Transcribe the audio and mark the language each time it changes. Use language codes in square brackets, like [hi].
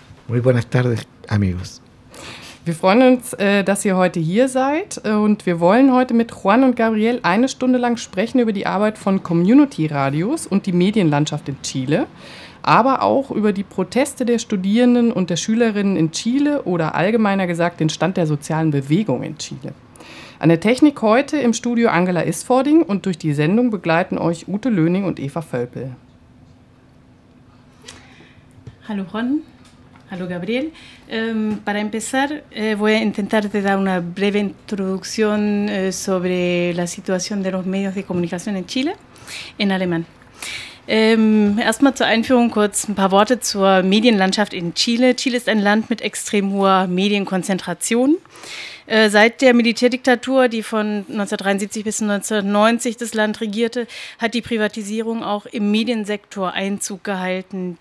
[es] Muy buenas tardes, amigos. [de] Wir freuen uns, dass ihr heute hier seid und wir wollen heute mit Juan und Gabriel eine Stunde lang sprechen über die Arbeit von Community-Radios und die Medienlandschaft in Chile, aber auch über die Proteste der Studierenden und der Schülerinnen in Chile oder allgemeiner gesagt den Stand der sozialen Bewegung in Chile. An der Technik heute im Studio Angela Isfording und durch die Sendung begleiten euch Ute Löning und Eva Völpel. Hallo Juan, hallo Gabriel. [es] Para empezar, voy a intentar te dar una breve introducción sobre la situación de los medios de comunicación en Chile, en alemán. [de] Erstmal zur Einführung kurz ein paar Worte zur Medienlandschaft in Chile. Chile ist ein Land mit extrem hoher Medienkonzentration. Seit der Militärdiktatur, die von 1973 bis 1990 das Land regierte, hat die Privatisierung auch im Mediensektor Einzug gehalten.